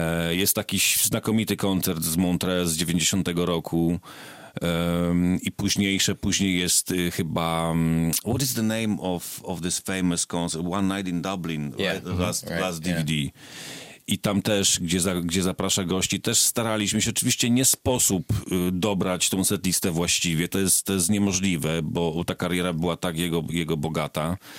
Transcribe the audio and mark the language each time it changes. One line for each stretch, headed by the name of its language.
Polish: Jest taki znakomity koncert z Montreux z 90 roku. I później jest chyba...
English: What is the name of this famous concert? One Night in Dublin, yeah. last DVD. Yeah.
Polish: I tam też, gdzie zaprasza gości, też staraliśmy się. Oczywiście nie sposób dobrać tą setlistę właściwie. To jest niemożliwe, bo ta kariera była tak jego bogata.